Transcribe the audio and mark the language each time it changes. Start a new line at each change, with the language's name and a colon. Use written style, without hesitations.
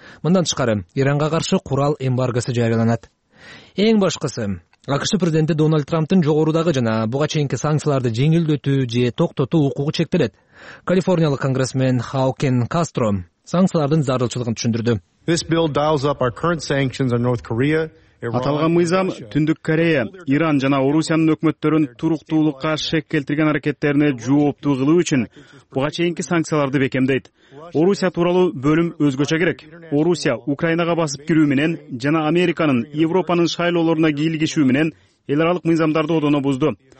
Kyrgyz: Мындан тышкары Иранга каршы курал эмбаргосу жарыяланат. Эң башкысы АКШ президенти Дональд Трамптын жогорудагы жана буга чейинки санкцияларды жеңилдетүү же токтотуу укугу чектелет. Калифорниялык конгрессмен Хаукен Кастро санкциялардын зарылчылыгын түшүндүрдү.
English: This bill dials up our current sanctions on North Korea.
Kyrgyz: Аталган мыйзам Түндүк Корея, Иран жана Орусиянын өкмөттөрүн туруктуулукка шек келтирген аракеттерине жооптуу кылуу үчүн буга чейинки санкцияларды бекемдейт. Орусия тууралуу бөлүм өзгөчө керек. Орусия Украинага басып кирүү менен жана Американын Европанын шайлоолоруна кийлигишүү менен эл аралык мыйзамдарды одоно бузду.